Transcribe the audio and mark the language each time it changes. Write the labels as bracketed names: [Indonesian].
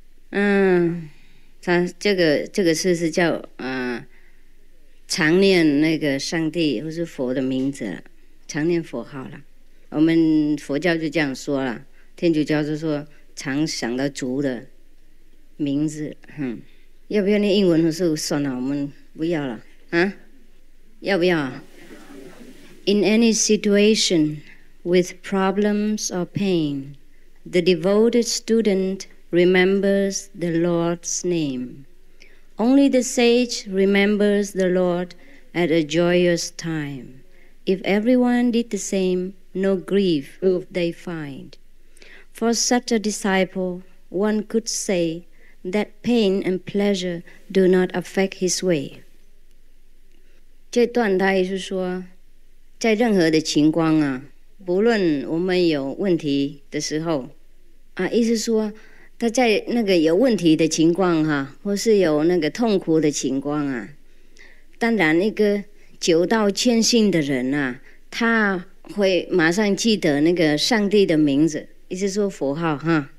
[Chinese] 他这个诗是叫常念那个上帝或是佛的名字，常念佛号了。我们佛教就这样说了，天主教就说常想到主的名字。要不要念英文的时候算了，我们不要了啊？要不要？ [English] In any situation with problems or pain, the devoted student remembers the Lord's name. Only the sage remembers the Lord at a joyous time. If everyone did the same, no grief would they find. For such a disciple, one could say that pain and pleasure do not affect his way. [Chinese] 这段他也是说在任何的情况啊，不论我们有问题的时候啊，意思说他在那个有问题的情况啊，或是有那个痛苦的情况啊，当然那个久道谦逊的人啊，他会马上记得那个上帝的名字，意思说佛号哈。